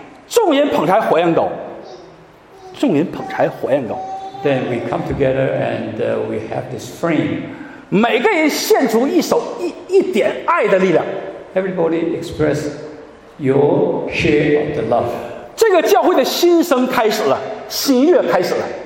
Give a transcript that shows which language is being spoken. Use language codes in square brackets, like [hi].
[zh] 众人捧柴火焰高，众人捧柴火焰高。 [en] Then we come together and we have this frame. [zh] 每个人献出一点爱的力量。 [en] Everybody express your share of the love. [zh] 这个教会的新生开始了，新月开始了。